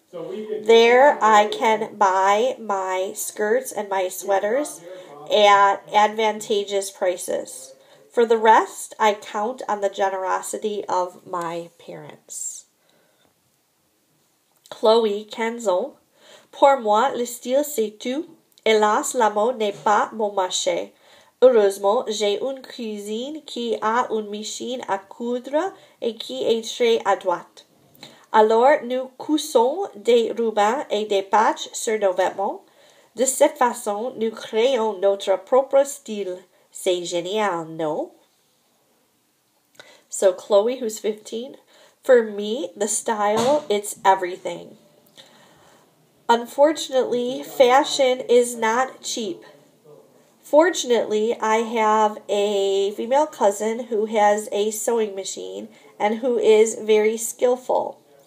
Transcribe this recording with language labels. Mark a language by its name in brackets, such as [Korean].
[English] There, I can buy my skirts and my sweaters at advantageous prices. For the rest, I count on the generosity of my parents. [French] Chloe Kenzel, pour moi, le style c'est tout. Hélas, la mode n'est pas mon marché. Heureusement, j'ai une cuisine qui a une machine à coudre et qui est très adroite. Alors, nous cousons des rubans et des patchs sur nos vêtements. De cette façon, nous créons notre propre style. C'est génial, non? [English] So, Chloe, who's 15, for me, the style, it's everything. Unfortunately, fashion is not cheap. Fortunately, I have a female cousin who has a sewing machine and who is very skillful.